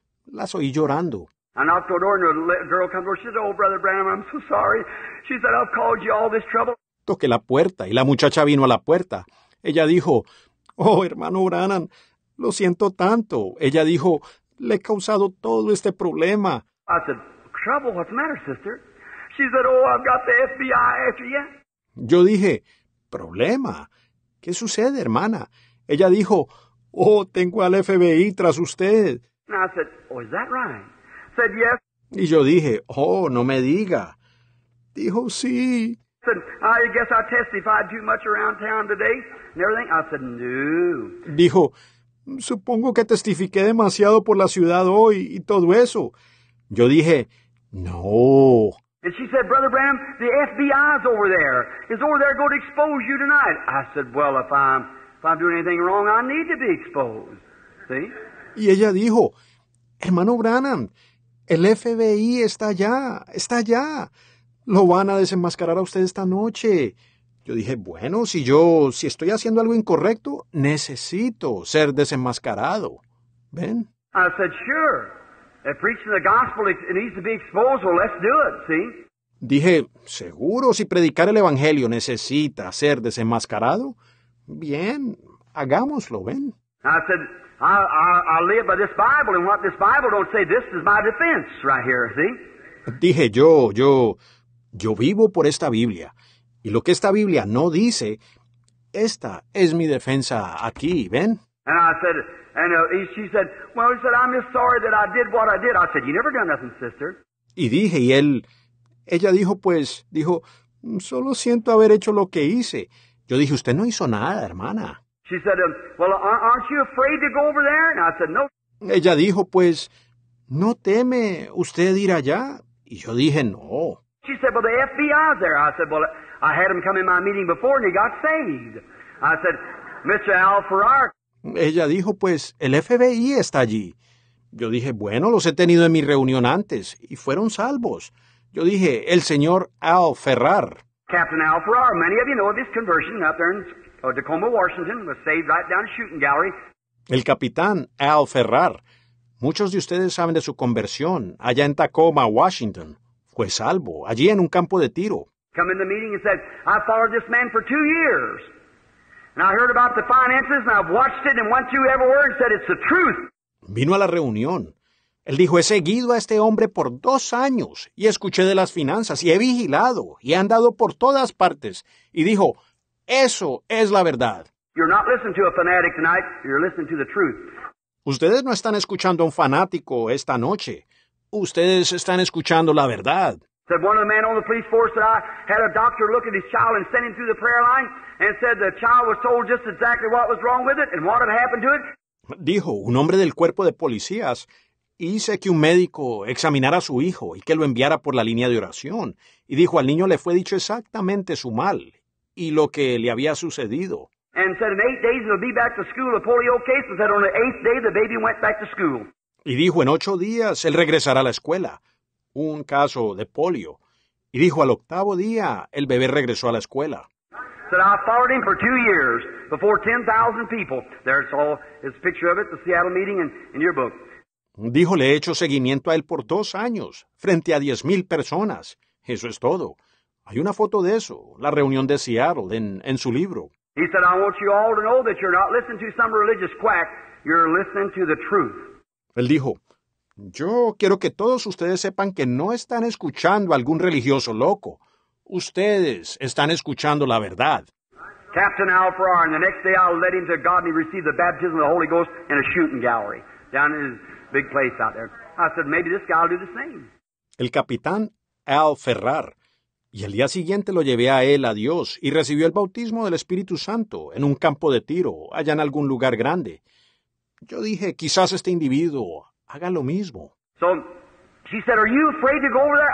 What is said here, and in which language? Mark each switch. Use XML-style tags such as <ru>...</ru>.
<es>Las oí llorando.</es> <en>I knocked on the door and the girl comes over. She said, oh, Brother Branham, I'm so sorry. She said, I've called you all this trouble.</en> <es>Toqué la puerta y la muchacha vino a la puerta. Ella dijo, oh, hermano Branham, lo siento tanto. Ella dijo, le he causado todo este problema.</es> <en>I said, trouble? What's the matter, sister? She said, oh, I've got the FBI after you.</en> <es>Yo dije, problema. ¿Qué sucede, hermana? Ella dijo, oh, tengo al FBI tras usted.</es> <en>And I said, oh, is that right? Said, yes.</en> <es>Y yo dije, oh, no me diga. Dijo, sí.</es> <en>I guess I testified too much around town today and everything. I said, no.</en> <es>Dijo, supongo que testifiqué demasiado por la ciudad hoy y todo eso. Yo dije, no.</es> <en>And she said, Brother Branham, the FBI's over there. It's over there going to expose you tonight. I said, well, if I'm doing anything wrong, I need to be exposed. See?</en> <es>Y ella dijo, hermano Branham, el FBI está allá, está allá. Lo van a desenmascarar a usted esta noche. Yo dije, bueno, si estoy haciendo algo incorrecto, necesito ser desenmascarado. ¿Ven?</es> <en>I said, sure. If preaching the gospel it needs to be exposed, well, let's do it, see?</en> <es>Dije, seguro, si predicar el evangelio necesita ser desenmascarado, bien, hagámoslo, ¿ven?</es> <en>I said, I live by this Bible, and what this Bible don't say, this is my defense right here, see?</en> <es>Dije, yo vivo por esta Biblia, y lo que esta Biblia no dice, esta es mi defensa aquí, ¿ven?</es> <en>And I said, and she said, well, she said, I'm just sorry that I did what I did. I said, you never done nothing, sister.</en> <es>Y dije, y él, ella dijo, pues, dijo, solo siento haber hecho lo que hice. Yo dije, usted no hizo nada, hermana.</es> <en>She said, well, aren't you afraid to go over there? And I said, no.</en> <es>Ella dijo, pues, ¿no teme usted ir allá? Y yo dije, no.</es> <en>She said, well, the FBI's there. I said, well, I had him come in my meeting before and he got saved. I said, Mr. Al Farrar.</en> <es>Ella dijo, pues, el FBI está allí. Yo dije, bueno, los he tenido en mi reunión antes y fueron salvos. Yo dije, el señor Al Farrar.</es> <en>Captain Al Farrar, many of you know this conversion up there in Tacoma, Washington, was saved right down the shooting gallery.</en> <es>El capitán Al Farrar. Muchos de ustedes saben de su conversión allá en Tacoma, Washington. Fue salvo allí en un campo de tiro.</es> <en>Come in the meeting and said, I followed this man for 2 years. And I heard about the finances and I've watched it and went through every word and said, it's the truth.</en> <es>Vino a la reunión. Él dijo, he seguido a este hombre por 2 años y escuché de las finanzas y he vigilado y he andado por todas partes. Y dijo, eso es la verdad.</es> <en>You're not listening to a fanatic tonight. You're listening to the truth.</en> <es>Ustedes no están escuchando a un fanático esta noche. Ustedes están escuchando la verdad.</es> <en>Said one of the men on the police force that I had a doctor look at his child and send him through the prayer line and said the child was told just exactly what was wrong with it and what had happened to it.</en> <es>Dijo, un hombre del cuerpo de policías hice que un médico examinara a su hijo y que lo enviara por la línea de oración. Y dijo, al niño le fue dicho exactamente su mal y lo que le había sucedido.</es> <en>And said in 8 days he'll be back to school, a polio case, and said on the 8th day the baby went back to school.</en> <es>Y dijo, en 8 días él regresará a la escuela, un caso de polio. Y dijo, al 8th día el bebé regresó a la escuela.</es> <en>Said I followed him for 2 years before 10,000 people. There's all his picture of it, the Seattle meeting in your book.</en> <es>Dijo, le he hecho seguimiento a él por 2 años, frente a 10,000 personas. Eso es todo. Hay una foto de eso, la reunión de Seattle, en su libro.</es> <en>He said, I want you all to know that you're not listening to some religious quack, you're listening to the truth.</en> <es>Él dijo, yo quiero que todos ustedes sepan que no están escuchando a algún religioso loco. Ustedes están escuchando la verdad.</es> <en>Captain Al Farrar, and the next day I'll let him to God and he received the baptism of the Holy Ghost in a shooting gallery down in his big place out there. I said, maybe this guy will do the same.</en> <es>El capitán Al Farrar. Y el día siguiente lo llevé a él a Dios y recibió el bautismo del Espíritu Santo en un campo de tiro allá en algún lugar grande. Yo dije, quizás este individuo haga lo mismo.</es> <en>So, she said, are you afraid to go over there?</en>